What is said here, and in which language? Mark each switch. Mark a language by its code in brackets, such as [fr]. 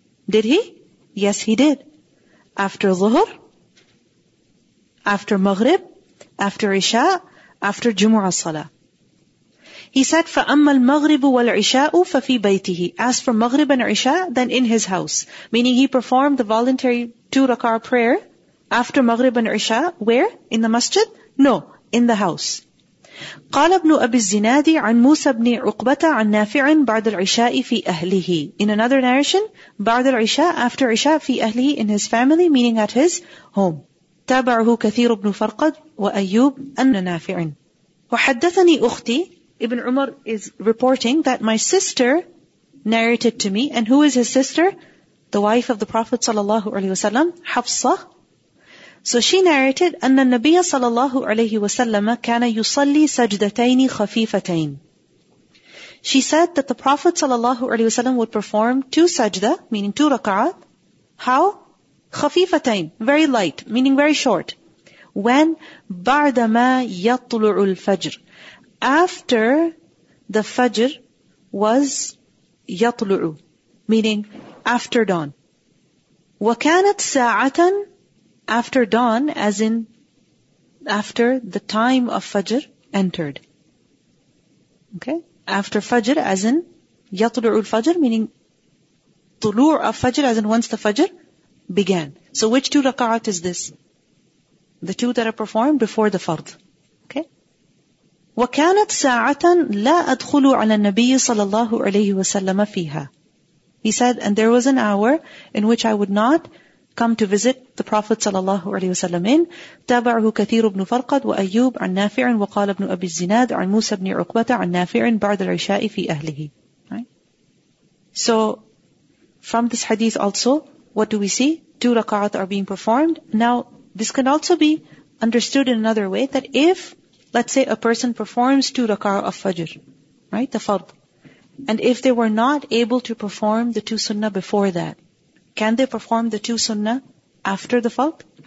[en] Did he? Yes, he did. After Zuhur, after Maghrib, after Isha, after Jumu'ah salah. He said, [ar] فَأَمَّا الْمَغْرِبُ وَالْعِشَاءُ فَفِي بَيْتِهِ. [en] As for Maghrib and Isha, then in his house. Meaning he performed the voluntary two rak'ah prayer after Maghrib and Isha. Where? In the masjid? No, in the house. [ar] قال ابن أبي الزناد عن موسى بن عقبة عن نافع بعد العشاء في أهله. [en] In another narration, [ar] بعد العشاء, after عشاء, في أهله, [en] in his family, meaning at his home. [ar] تابعه كثير بن فرقد وأيوب أن نافع. وحدثني أختي, [en] Ibn Umar is reporting that my sister narrated to me, and who is his sister? The wife of the Prophet sallallahu alaihi wasallam, Hafsa. So she narrated, [ar] أن النبي صلى الله عليه وسلم كان يصلي سجدتين خفيفتين. [en] She said that the Prophet sallallahu alaihi wasallam would perform two sajda, meaning two rak'at. How? خفيفتين, very light, meaning very short. When? [ar] بعدما يطلع الفجر. [en] After the fajr was يطلع, meaning after dawn. [ar] وكانت ساعة, [en] after dawn, as in after the time of fajr entered. Okay? After fajr, as in [ar] يطلع الفجر, [en] meaning طلوع of fajr, as in once the fajr began. So which two rak'at is this? The two that are performed before the fard. [ar] وكانت ساعة لا أدخل على النبي صلى الله عليه وسلم فيها. [en] He said, and there was an hour in which I would not come to visit the Prophet صلى الله عليه وسلم. [ar] تابعه كثير بن فرقد وأيوب عن نافع وقال ابن أبي الزناد عن موسى بن عقبة عن نافع بعد العشاء في أهله. [en] Right? So from this hadith also, what do we see? Two rak'at are being performed. Now this can also be understood in another way, that if, let's say, a person performs two rak'ah of fajr, right, the fard, and if they were not able to perform the two sunnah before that, can they perform the two sunnah after the fard?